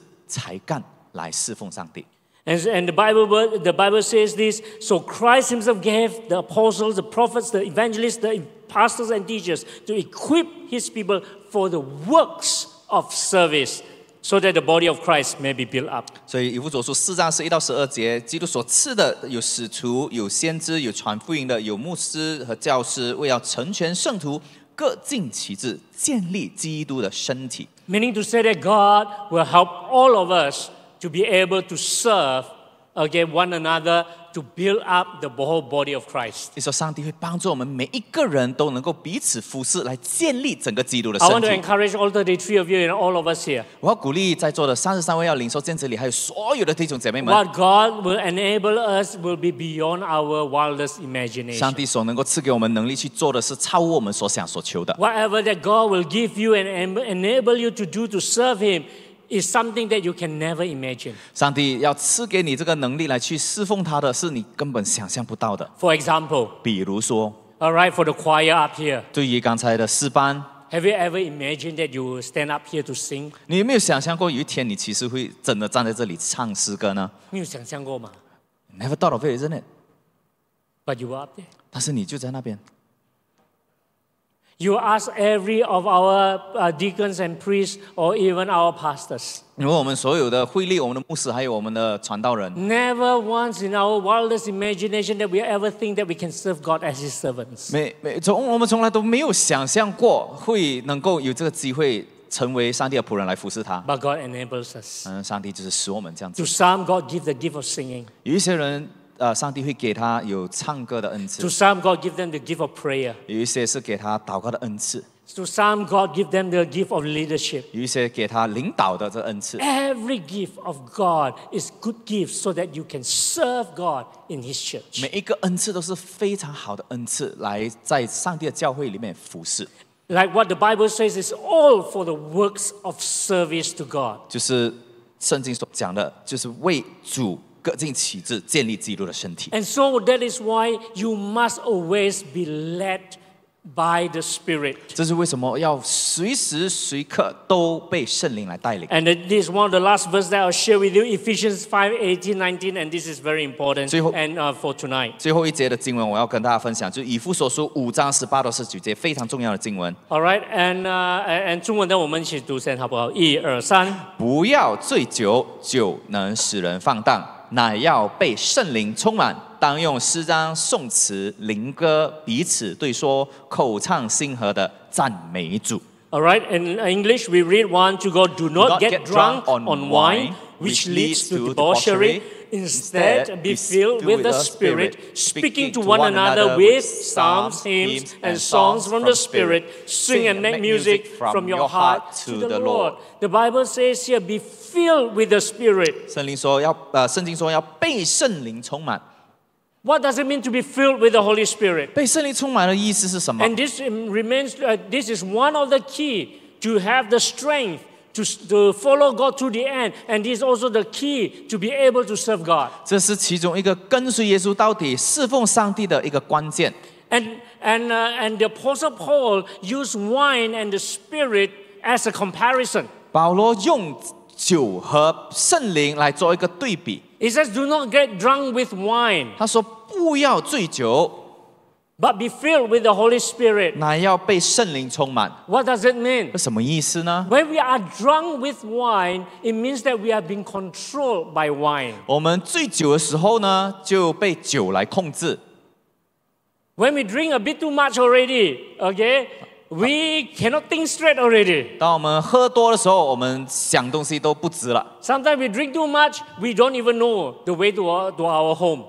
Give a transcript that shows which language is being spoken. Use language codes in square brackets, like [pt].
[zh] 所以圣灵会做的就是他会给你这些恩赐才干来侍奉上帝。 [en] And the Bible says this, so Christ Himself gave the apostles, the prophets, the evangelists, the pastors and teachers to equip His people for the works of service, so that the body of Christ may be built up. [zh] 所以以弗所书4章11到12节，基督所赐的有使徒、有先知、有传福音的、有牧师和教师，为要成全圣徒，各尽其职，建立基督的身体。 [en] Meaning to say that God will help all of us to be able to serve one another to build up the whole body of Christ. [zh] 你说上帝会帮助我们每一个人都能够彼此服侍，来建立整个基督的身体。 [en] I want to encourage all the three of you and all of us here. [zh] 我要鼓励在座的33位要领受见证礼，还有所有的弟兄姐妹们。 [en] What God will enable us will be beyond our wildest imagination. [zh] 上帝所能够赐给我们能力去做的是超我们所想所求的。 [en] Whatever that God will give you and enable you to do to serve Him. Is something that you can never imagine. [zh] 上帝要赐给你这个能力来去侍奉他的是你根本想象不到的。 [en] For example, [zh] 比如说 [en] All right, for the choir up here. [zh] 对于刚才的诗班 [en] Have you ever imagined that you will stand up here to sing? [zh] 你有没有想象过有一天你其实会真的站在这里唱诗歌呢？没有想象过吗？ [en] Never thought of it, isn't it? But you were up there. [zh] 但是你就在那边。 [en] You ask every of our deacons and priests, or even our pastors. [zh] 如果我们所有的会立我们的牧师，还有我们的传道人 [en] ，Never once in our wildest imagination that we ever think that we can serve God as His servants. [zh] 我们从来都没有想象过会能够有这个机会成为上帝的仆人来服侍他。 [en] But God enables us. [zh] 上帝就是使我们这样子。 [en] To some, God gives the gift of singing. [zh] 有一些人。上帝会给他有唱歌的恩赐。 [en] To some, God give them the gift of prayer. [zh] 有一些是给他祷告的恩赐。 [en] To some, God give them the gift of leadership. [zh] 有一些给他领导的这恩赐。 [en] Every gift of God is good gift so that you can serve God in His church. [zh] 每一个恩赐都是非常好的恩赐，来在上帝的教会里面服侍。 [en] Like what the Bible says, it's all for the works of service to God. [zh] 就是圣经所讲的，就是为主。各尽其职，建立基督的身体。 [en] And so that is why you must always be led by the Spirit. [zh] 这是为什么要随时随刻都被圣灵来带领。 [en] And this is one of the last verses that I'll share with you, Ephesians 5:18-19, and this is very important. And for tonight. [zh] 最后一节的经文我要跟大家分享，就是以弗所书5:18-19非常重要的经文。 [en] All right, and [zh] 中文的我们一起读先，好不好？一二三。不要醉酒，酒能使人放荡。乃要被圣灵充满，当用诗章、颂词、灵歌彼此对说，口唱心和的赞美主。 [en] All right, in English we read one to go. Do not get drunk on wine, which leads to debauchery. Instead, be filled with the Spirit, speaking to one another with psalms, hymns, and songs from the Spirit. Sing and make music from your heart to the Lord. The Bible says here, be filled with the Spirit. [zh] 圣经说要被圣灵充满。 [en] What does it mean to be filled with the Holy Spirit? [zh] 被圣灵充满的意思是什么？ [en] And this remains, this is one of the key to have the strength to follow God to the end. And this is also the key to be able to serve God. [zh] 这是其中一个跟随耶稣到底侍奉上帝的一个关键。 [en] And the Apostle Paul used wine and the Spirit as a comparison. [zh] 保罗用酒和圣灵来做一个对比。 [en] He says, "Do not get drunk with wine." [zh] 他说不要醉酒 [en] but be filled with the Holy Spirit. [zh] 乃要被圣灵充满 [en] What does it mean? [zh] 这什么意思呢 [en] When we are drunk with wine, it means that we have been controlled by wine. [zh] 我们醉酒的时候呢，就被酒来控制 [en] When we drink a bit too much already, okay, we cannot think straight already. [zh] 当我们喝多的时候，我们想东西都不直了。 [en] Sometimes we drink too much, we don't even know the way to our home.